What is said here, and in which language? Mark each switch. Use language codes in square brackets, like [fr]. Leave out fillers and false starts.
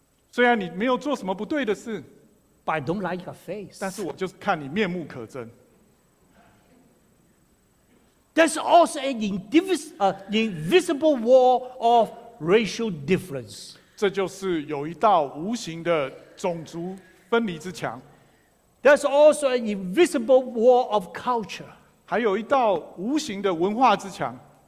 [zh] 虽然你没有做什么不对的事。 [en] But I don't like your face. [zh] 但是我就是看你面目可憎。 [en] That's also an invisible wall of racial difference. [zh] 这就是有一道无形的种族分离之墙。 [en] That's also an invisible wall of culture. [zh] 还有一道无形的文化之墙。